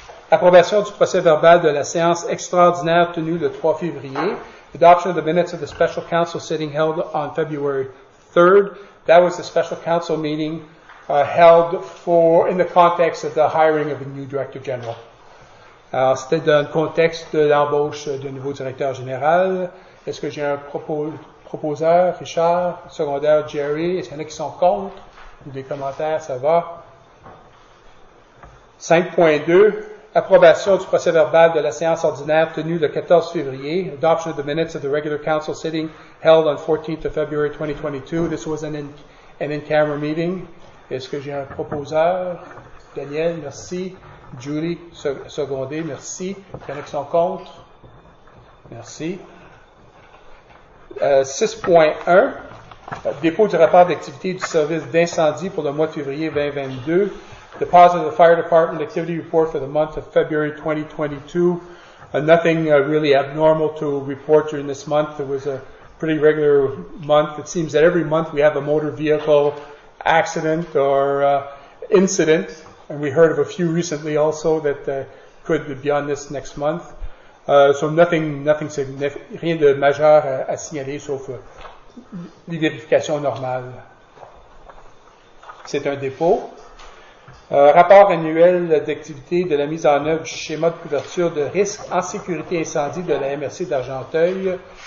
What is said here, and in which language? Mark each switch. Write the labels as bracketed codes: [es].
[fr] Approbation du procès-verbal de la séance extraordinaire tenue le 3 février. [en] Adoption of the minutes of the special council sitting held on February 3rd. That was the special council meeting held for in the context of the hiring of a new director general. [fr] Alors, c'était dans le contexte de l'embauche d'un nouveau directeur général. Est-ce que j'ai un proposeur, Richard, secondaire, Jerry? Est-ce qu'il y en a qui sont contre? Des commentaires, ça va. 5.2, approbation du procès-verbal de la séance ordinaire tenue le 14 février, [en] adoption of the minutes of the regular council sitting held on 14th of February 2022. This was an in-camera meeting. [fr] Est-ce que j'ai un proposeur? Daniel, merci. Julie, secondé, merci. Il y en a qui sont contre? Merci. 6.1, dépôt du rapport d'activité du service d'incendie pour le mois de février 2022. [en] Deposit of the fire department activity report for the month of February 2022. Nothing really abnormal to report during this month. It was a pretty regular month. It seems that every month we have a motor vehicle accident or incident. And we heard of a few recently also that could be on this next month. So nothing significant, [fr] rien de majeur à signaler sauf les vérifications normales. C'est un dépôt. Rapport annuel d'activité de la mise en œuvre du schéma de couverture de risque en sécurité incendie de la MRC d'Argenteuil.